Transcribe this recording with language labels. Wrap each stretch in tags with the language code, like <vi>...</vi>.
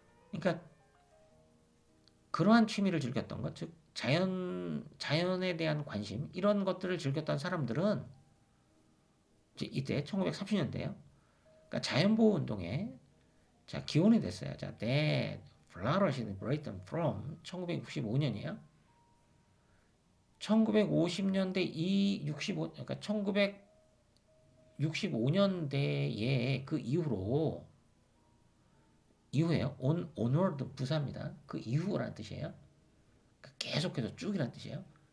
<ko>그러니까 그러한 취미를 즐겼던 것, 즉 자연에 대한 관심 이런 것들을 즐겼던 사람들은 이때 1930년대예요. 그러니까 자연보호 운동에 자 기원이 됐어요. 자,</ko> <en>they flourished in Britain from 1955년이에요.</en> <ko>1950년대 65, 그러니까 1965년대에 그 이후로 이후에요. onward 부사입니다. 그 이후라는 뜻이에요. 계속해서 쭉이라는 뜻이에요.</ko>